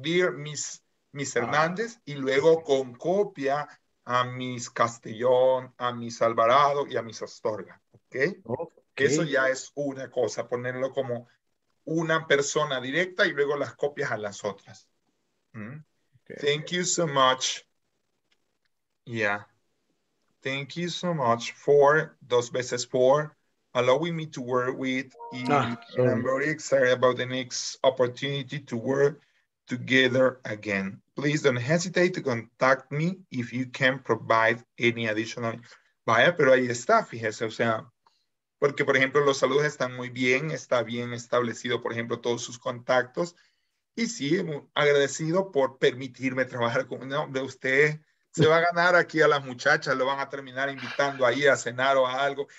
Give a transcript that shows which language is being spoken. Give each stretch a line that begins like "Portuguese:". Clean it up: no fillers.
Spanish: Dear Miss Hernández. Y luego con copia a Miss Castellón, a Miss Alvarado y a Miss Astorga. ¿Okay? ¿Ok? Eso ya es una cosa. Ponerlo como una persona directa y luego las copias a las otras.
English: ¿Mm? Okay. Thank you so much. Yeah. Thank you so much for,
Spanish: dos veces por,
English: allowing me to work with you. Ah, I'm very excited about the next opportunity to work together again. Please don't hesitate to contact me if you can provide any additional.
Spanish: Vaya, pero ahí está, fíjese, o sea, porque, por ejemplo, los saludos están muy bien, está bien establecido, por ejemplo, todos sus contactos. Y sí, agradecido por permitirme trabajar con uno de ustedes. Se va a ganar aquí a las muchachas, lo van a terminar invitando ahí a cenar o a algo.